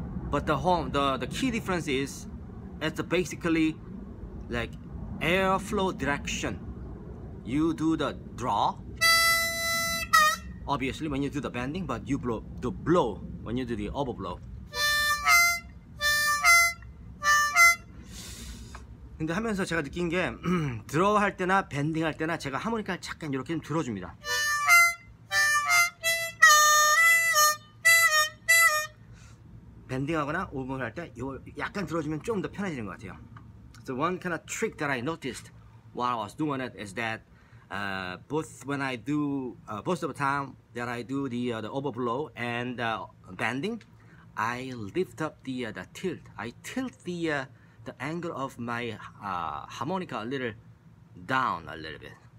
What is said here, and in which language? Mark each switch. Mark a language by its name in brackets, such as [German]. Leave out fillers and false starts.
[English] But the key difference is it's basically like airflow direction. You do the draw. Obviously, when you do the bending, but you blow the blow when you do the overblow. [Korean] 근데 하면서 제가 느낀 게 드로 할 때나 밴딩 할 때나 제가 하모니카를 잠깐 이렇게 좀 들어줍니다. 밴딩하거나 오버블로우 할 때 이걸 약간 들어주면 좀 더 편해지는 것 같아요. [English] So one kind of trick that I noticed while I was doing it is that both of the time that I do the overblow and bending, I lift up the tilt. I tilt the angle of my harmonica a little down a little bit.